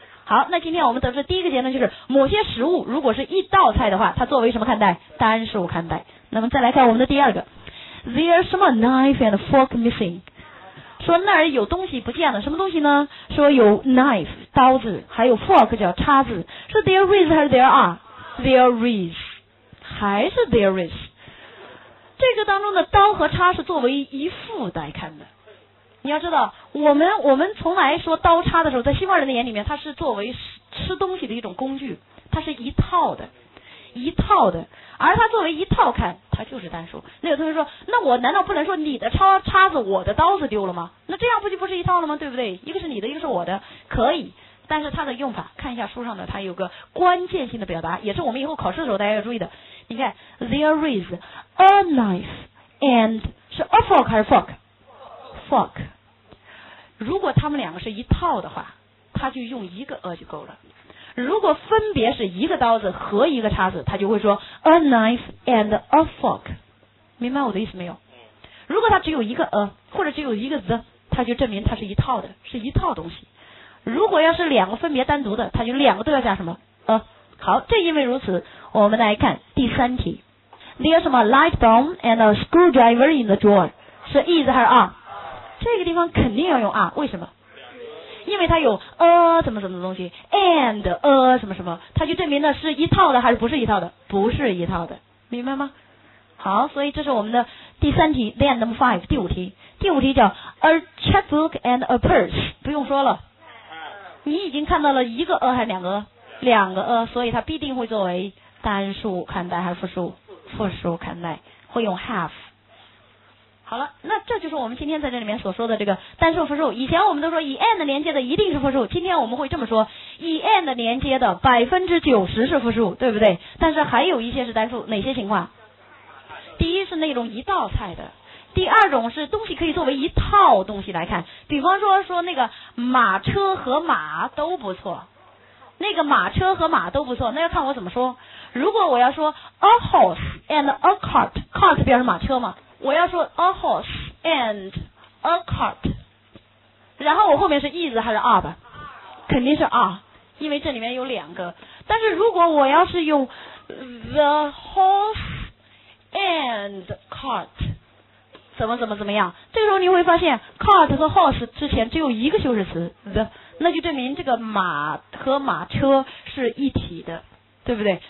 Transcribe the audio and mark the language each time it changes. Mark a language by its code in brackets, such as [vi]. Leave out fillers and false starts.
[zh] 好，那今天我们得出的第一个结论就是，某些食物如果是一道菜的话，它作为什么看待？单数看待。那么再来看我们的第二个 ， [en] there [zh] 什么 [en] knife and fork missing？ [zh] 说那儿有东西不见了，什么东西呢？说有 knife 刀子，还有 fork 叫叉子。 [en] 说 there is 还是 there are？There is， 还是 there is？ [zh] 这个当中的刀和叉是作为一副来看的。你要知道，我们从来说刀叉的时候，在西方人的眼里面，它是作为吃东西的一种工具，它是一套的。一套的，而它作为一套看，它就是单数。那有同学说，那我难道不能说你的叉子我的刀子丢了吗？那这样不是一套了吗？对不对？一个是你的，一个是我的，可以。但是它的用法，看一下书上的，它有个关键性的表达，也是我们以后考试的时候大家要注意的。你看 [en] ，there is a knife and 是 a fork 还是 fork？ [zh] 如果他们两个是一套的话，他就用一个 a 就够了。如果分别是一个刀子和一个叉子，他就会说 [en] a knife and a fork， [zh] 明白我的意思没有？如果他只有一个 a 或者只有一个 the， 他就证明他是一套的，是一套东西。如果要是两个分别单独的，他就两个都要加什么 a。好，正因为如此，我们来看第三题。 [en] There 什么 light bulb and a screwdriver in the drawer 是 is [zh] 还是 [en] are？ [zh] 这个地方肯定要用 are， 为什么？因为它有什么什么东西 and 什么什么，它就证明的是一套的还是不是一套的？不是一套的，明白吗？好，所以这是我们的第三题 then number five 第五题。第五题叫 [en] a checkbook and a purse， [zh] 不用说了，你已经看到了一个还是两个？两个所以它必定会作为单数看待还是复数？复数看待，会用 have。好了，那这就是我们今天在这里面所说的这个单数复数。以前我们都说以 and 连接的一定是复数，今天我们会这么说，以 and 连接的 90% 是复数，对不对？但是还有一些是单数，哪些情况？第一是那种一道菜的，第二种是东西可以作为一套东西来看，比方说那个马车和马都不错，那个马车和马都不错，那要看我怎么说。如果我要说 [en] a horse and a cart， [zh] cart 表示马车嘛，我要说 a horse and a cart，然后我后面是 is 还是 are 吧，肯定是 are， 因为这里面有两个。但是如果我要是用 [en] the horse and cart [zh] 怎么怎么怎么样，这个时候你会发现 cart 和 horse 之前只有一个修饰词 the， 那就证明这个马和马车是一体的，对不对？